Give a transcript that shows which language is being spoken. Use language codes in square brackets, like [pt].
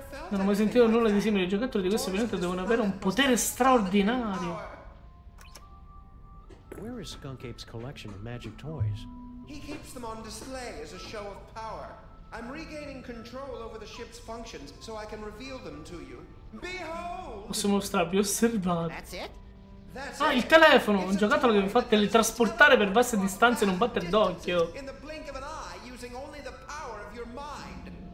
[it] Non ho mai sentito nulla di simile. I giocattoli di questo pianeta devono avere un potere straordinario. [en] Where is Skunk Ape's collection of magic toys? He keeps them on display as a show of power. I'm regaining control over the ship's functions so I can reveal them to you. Behold! [it] Posso mostrarvi, osservate. [en] That's it? [it] Ah, il telefono! Un giocattolo che vi fa teletrasportare per vaste distanze e non batter d'occhio. [en] In the blink of an eye, using only the power of your mind.